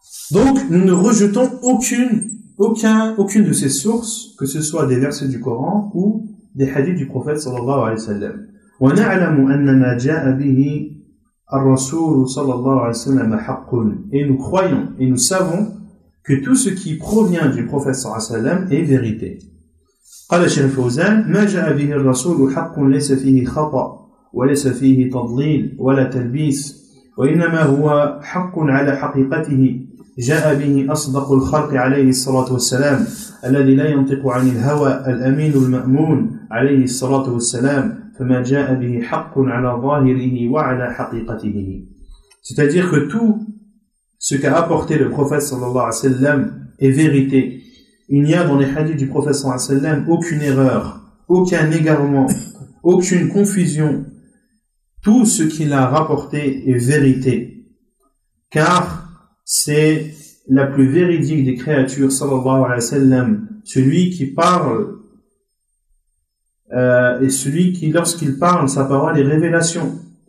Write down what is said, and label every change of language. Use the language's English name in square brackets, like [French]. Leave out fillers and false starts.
[French] Donc, nous ne rejetons aucune de ces sources, que ce soit des versets du Coran ou des hadiths du prophète sallallahu alayhi wa sallam. [Arabic] وَنَعْلَمُ أَنَّ مَا جَاءَ بِهِ الرَّسُولُ صَلَى اللَّهُ عَلَيْهِ سَلَّمَ حَقٌّ. [French] Et nous croyons et nous savons que tout ce qui provient du prophète [Arabic] صلى الله عليه وسلم [French] est vérité. [Arabic] قال الشيخ الفوزان ما جاء به الرسول حق ليس فيه خطأ وليس فيه تضليل ولا تلبيس وإنما هو حق على حقيقته جاء به أصدق الخلق عليه الصلاة والسلام الذي لا ينطق عن الهوى الأمين المأمون عليه الصلاة والسلام فما جاء به حق على ظاهره وعلى حقيقته. [French] C'est-à-dire que tout ce qu'a apporté le prophète sallallahu alayhi wa sallam est vérité. Il n'y a dans les hadiths du prophète sallallahu alayhi wa sallam aucune erreur, aucun égarement, aucune confusion. Tout ce qu'il a rapporté est vérité. Car c'est la plus véridique des créatures sallallahu alayhi wa sallam, celui qui parle et celui qui, lorsqu'il parle, sa parole est révélation.